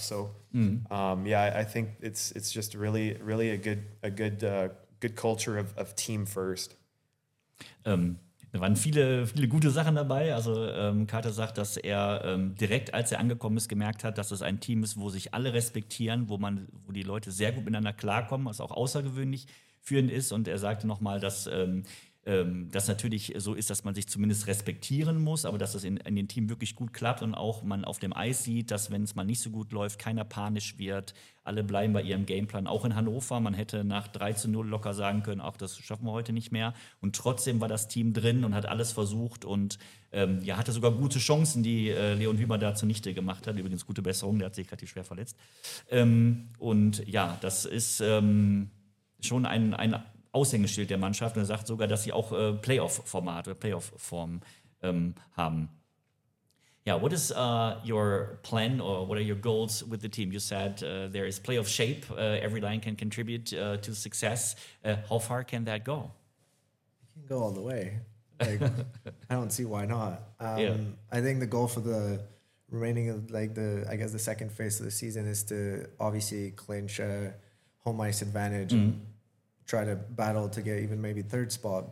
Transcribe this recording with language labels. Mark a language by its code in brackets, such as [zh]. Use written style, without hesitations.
[en] So I think it's just really, really a good culture of team first. [de] Da waren viele, viele gute Sachen dabei. Also Carter sagt, dass er direkt, als er angekommen ist, gemerkt hat, dass es ein Team ist, wo sich alle respektieren, wo die Leute sehr gut miteinander klarkommen, was auch außergewöhnlich führend ist. Und er sagte nochmal, dass das natürlich so ist, dass man sich zumindest respektieren muss, aber dass es in dem Team wirklich gut klappt und auch man auf dem Eis sieht, dass wenn es mal nicht so gut läuft, keiner panisch wird, alle bleiben bei ihrem Gameplan, auch in Hannover. Man hätte nach 3:0 locker sagen können, ach, das schaffen wir heute nicht mehr. Und trotzdem war das Team drin und hat alles versucht und ja, hatte sogar gute Chancen, die Leon Wiemer da zunichte gemacht hat. Übrigens gute Besserung, der hat sich relativ schwer verletzt. Und ja, das ist schon ein Aushängeschild der Mannschaft und sagt sogar, dass sie auch Playoff-Format oder Playoff-Form haben. [en] Yeah, what is your plan or what are your goals with the team? You said there is playoff shape, every line can contribute to success. How far can that go? It can go all the way. Like, I don't see why not. I think the goal for the remaining of the second phase of the season is to obviously clinch a home ice advantage and try to battle to get even maybe third spot.